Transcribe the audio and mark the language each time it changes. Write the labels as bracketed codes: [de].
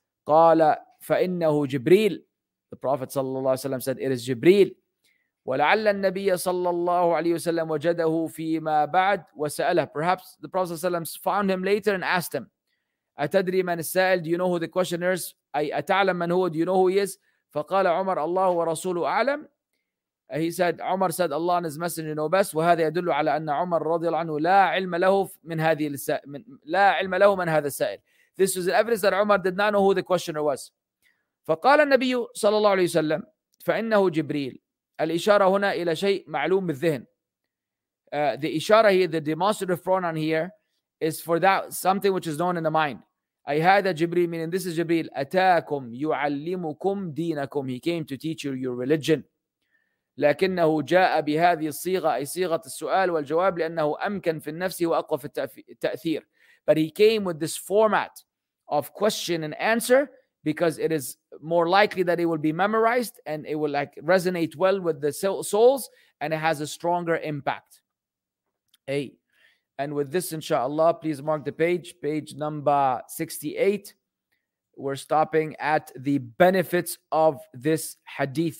[ar] قال فإنه جبريل. [en] The Prophet صلى الله عليه وسلم said, it is جبريل. [ar] ولعل النبي صلى الله عليه وسلم وجده فيما بعد وسأله. [en] Perhaps the Prophet صلى الله عليه وسلم found him later and asked him, [ar] أتدري من السائل? [en] Do you know who the questioner is? [ar] أي أتعلم من هو? [en] Do you know who he is? [ar] فقال عمر الله ورسوله أعلم. [en] He said, عمر said, Allah and His Messenger know best. [ar] وهذا يدل على أن عمر رضي الله عنه لا علم له من هذه لا علم له من هذا السائل. [en] This was the evidence that عمر did not know who the questioner was. [ar] فقال النبي صلى الله عليه وسلم فإنه جبريل. الإشارة هنا إلى شيء معلوم بالذهن. [en] The إشارة here, the demonstrative pronoun here, is for that something which is known in the mind. [ar] أي هذا جبريل, [en] meaning this is جبريل. [ar] أتاكم يعلمكم دينكم. [en] He came to teach you your religion. [ar] لكنه جاء بهذه الصيغة, أي صيغة السؤال والجواب, لأنه أمكن في النفس وأقوى في التأثير. [en] But he came with this format of question and answer because it is more likely that it will be memorized and it will like resonate well with the souls and it has a stronger impact. Hey. And with this, inshallah, please mark the page. Page number 68. We're stopping at the benefits of this hadith.